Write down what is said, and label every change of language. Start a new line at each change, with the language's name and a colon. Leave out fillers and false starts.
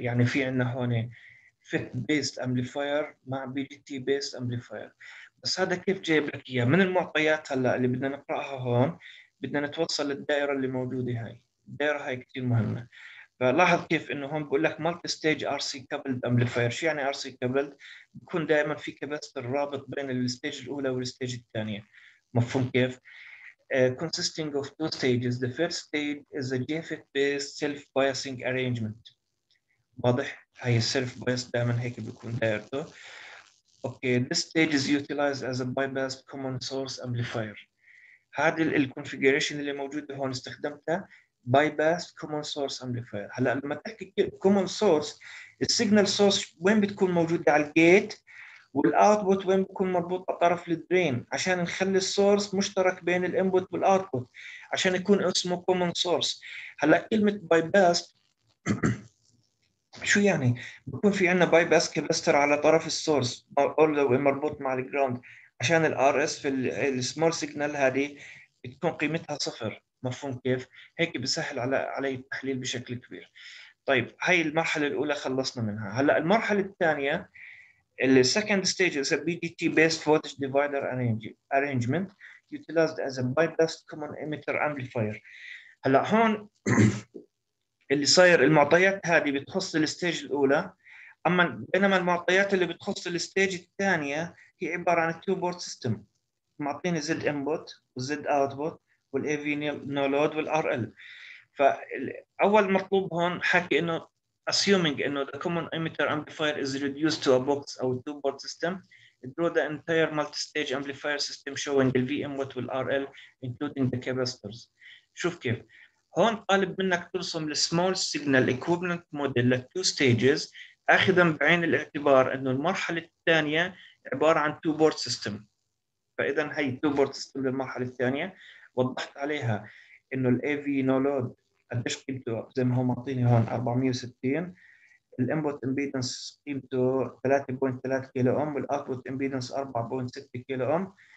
Arabic: يعني في عندنا هون فيت بيست امبليفاير مع بي جي تي بيست امبليفاير، بس هذا كيف جايب لك اياه؟ من المعطيات هلا اللي بدنا نقراها هون، بدنا نتوصل للدائره اللي موجوده هاي، الدائره هاي كثير مهمه. فلاحظ كيف انه هون بقول لك مالتي ستيج ار سي كابلد امبليفاير. شو يعني ار سي كابلد؟ بكون دائما في كاباسيتر رابط بين الستيج الاولى والستيج الثانيه، مفهوم كيف؟
English: consisting of two stages. The first stage is a JFET based self-biasing arrangement.
Arabic: واضح؟ هي السيلف بايس دائما هيك بيكون دائرته.
English: Okay, this stage is utilized as a bypassed common source amplifier.
Arabic: هذه الconfiguration اللي موجودة هون استخدمتها
English: bypassed common source amplifier.
Arabic: هلا لما تحكي common source، السيجنال سورس وين بتكون موجودة؟ على الجيت، والاوتبوت وين بيكون مربوط؟ على طرف الدرين، عشان نخلي السورس مشترك بين الانبوت والاوتبوت عشان يكون اسمه كومن سورس. هلا كلمه باي باس شو يعني؟ بيكون في عندنا باي باس كابستر على طرف السورس اول ذا مربوط مع الجراوند، عشان الار اس في السمول سيجنال هذه بتكون قيمتها صفر، مفهوم كيف؟ هيك بسهل علي التحليل بشكل كبير. طيب هاي المرحله الاولى خلصنا منها. هلا المرحله الثانيه
English: The second stage is a BDT based voltage divider arrangement utilized as a bypassed common emitter amplifier.
Arabic: هلا هون اللي صاير المعطيات هذه بتخص الستيج الاولى، اما بينما المعطيات اللي بتخص الستيج الثانيه هي عباره عن تو بورد سيستم، معطيني زد انبوت وزد اوتبوت والاي في نو لود والار ال. فاول مطلوب هون حكي انه
English: assuming انه the common emitter amplifier is reduced to a box او two port system, draw the entire multi-stage amplifier system showing the VMOT والRL including the capacitors.
Arabic: شوف كيف هون طالب منك ترسم
English: the small signal equivalent model
Arabic: لل
English: two stages،
Arabic: اخذا بعين الاعتبار انه المرحله الثانيه عباره عن
English: two port system.
Arabic: فاذا هي
English: two port system
Arabic: للمرحله الثانيه، وضحت عليها انه الـ AV no load قديش قيمته؟ زي ما هو معطيني هون 460، الانبوت امبيدنس قيمته 3.3 كيلو اوم، والاوتبوت امبيدنس 4.6 كيلو اوم.